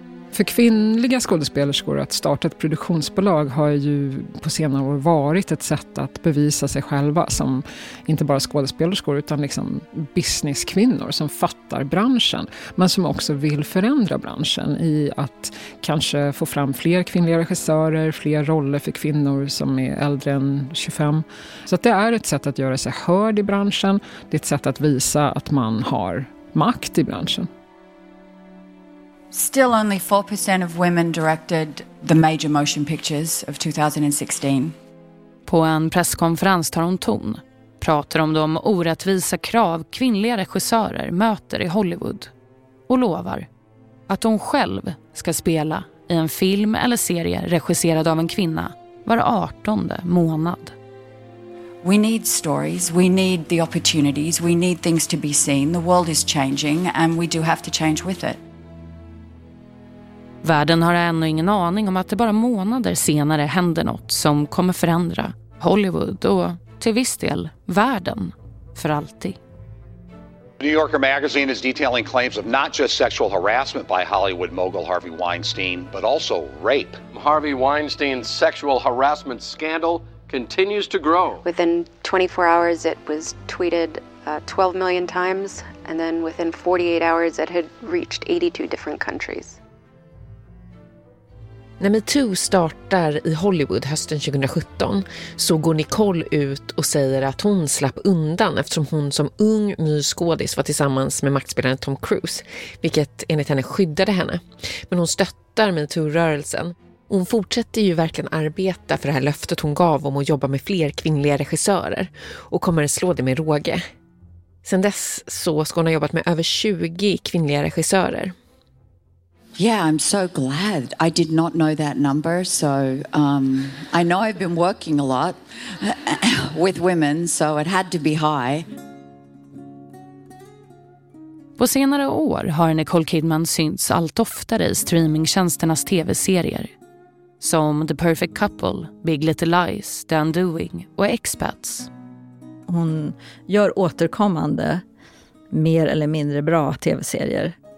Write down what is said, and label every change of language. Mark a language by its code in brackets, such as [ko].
[sv] För kvinnliga skådespelerskor att starta ett produktionsbolag har ju på senare år varit ett sätt att bevisa sig själva som inte bara skådespelerskor utan liksom businesskvinnor som fattar branschen men som också vill förändra branschen i att kanske få fram fler kvinnliga regissörer, fler roller för kvinnor som är äldre än 25. Så att det är ett sätt att göra sig hörd i branschen, det är ett sätt att visa att man har makt i branschen. [en] Still only 4% of women directed the major motion pictures of 2016. [sv] På en presskonferens tar hon ton. Pratar om de orättvisa krav kvinnliga regissörer möter i Hollywood. Och lovar att hon själv ska spela i en film eller serie regisserad av en kvinna var 18:e månad. [en] We need stories, we need the opportunities, we need things to be seen. The world is changing and we do have to change with it. [sv] Världen har ännu ingen aning om att det bara månader senare händer något som kommer förändra Hollywood och till viss del världen för alltid. [en] New Yorker magazine is detailing claims of not just sexual harassment by Hollywood mogul Harvey Weinstein, but also rape. Harvey Weinstein's sexual harassment scandal continues to grow. Within 24 hours it was tweeted 12 million times and then within 48 hours it had reached 82 different countries. [sv] När MeToo startar i Hollywood hösten 2017 så går Nicole ut och säger att hon slapp undan eftersom hon som ung ny skådis var tillsammans med maktspelaren Tom Cruise, vilket enligt henne skyddade henne. Men hon stöttar MeToo-rörelsen. Hon fortsätter ju verkligen arbeta för det här löftet hon gav om att jobba med fler kvinnliga regissörer och kommer slå det med råge. Sen dess så ska hon ha jobbat med över 20 kvinnliga regissörer. [en] Yeah, I'm so glad. I did not know that number, so I know I've been working a lot with women, so it had to be high. [sv] På senare år har Nicole Kidman synts allt oftare i streamingtjänsternas tv-serier. Som The Perfect Couple, Big Little Lies, The Undoing och Expats. Hon gör återkommande, mer eller mindre bra tv-serier.